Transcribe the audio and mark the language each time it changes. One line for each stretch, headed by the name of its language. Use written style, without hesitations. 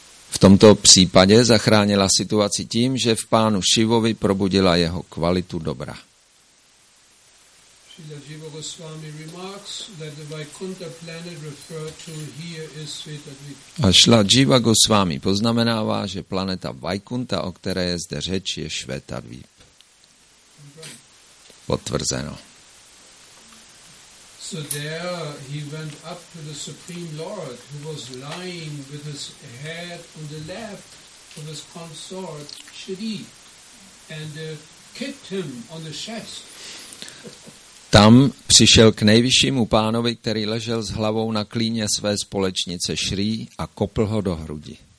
Czech: V tomto případě zachránila situaci tím, že v pánu Šivovi probudila jeho kvalitu dobra.
English: Srila Jiva Goswami remarks that the Vaikuntha planet referred to here is Svetadvipa.
Czech: A Srila Jiva Goswami poznamenává, že planeta Vaikuntha, o které je zde řeč, je Svetadvipa. Potvrzeno.
English: So there he went up to the Supreme Lord, who was lying with his head on the lap of his consort Shri, and kicked him on the chest.
Czech: Tam přišel k nejvyššímu pánovi, který ležel s hlavou na klíně své společnice Šrí a kopl ho do hrudi.